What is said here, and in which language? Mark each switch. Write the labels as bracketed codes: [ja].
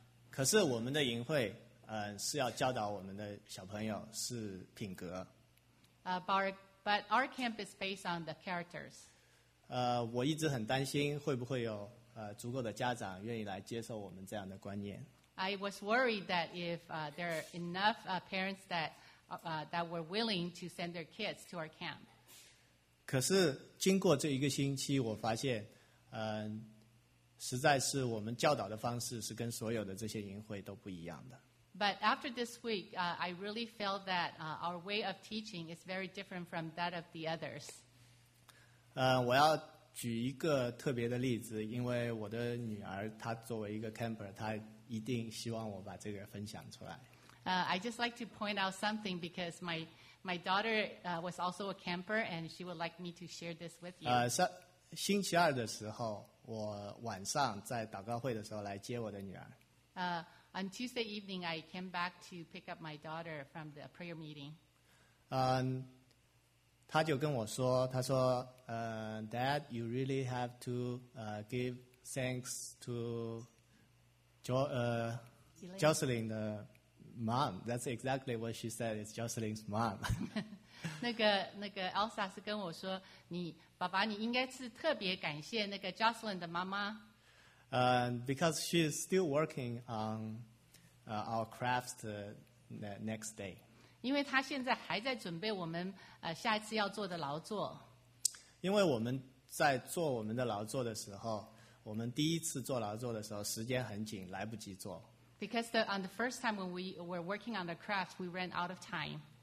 [zh] 可是我们的营会，是要教导我们的小朋友是品格。 [en] But our camp is based on the characters. [zh] 我一直很担心会不会有足够的家长愿意来接受我们这样的观念。 [en] I was worried that if there are enough parents that were willing to send their kids to our camp. [zh] 可是经过这一个星期，我发现，实在是我们教导的方式是跟所有的这些营会都不一样的。 [en] But after this week, I really felt that our way of teaching is very different from that of the others. [zh] 我要举一个特别的例子，因为我的女儿她作为一个 camper， 她一定希望我把这个分享出来。 [en] I just like to point out something because my daughter was also a camper and she would like me to share this with you. [zh] 星期二的时候，我晚上在祷告会的时候来接我的女儿。 [en] On Tuesday evening, I came back to pick up my daughter from the prayer meeting. [zh] 他就跟我说，他说 [en] Dad, you really have to give thanks to Jocelyn 的 mom. That's exactly what she said. It's Jocelyn's mom. [zh] 那个 Elsa 是跟我说，你爸爸你应该是特别感谢那个 Jocelyn 的妈妈。 [en] Because she is still working on our crafts next day. [zh] 因为他现在还在准备我们下一次要做的劳作。因为我们在做我们的劳作的时候，我们第一次做劳作的时候时间很紧，来不及做。 [en] Because the, on the first time when we were working on the craft, we ran out of time.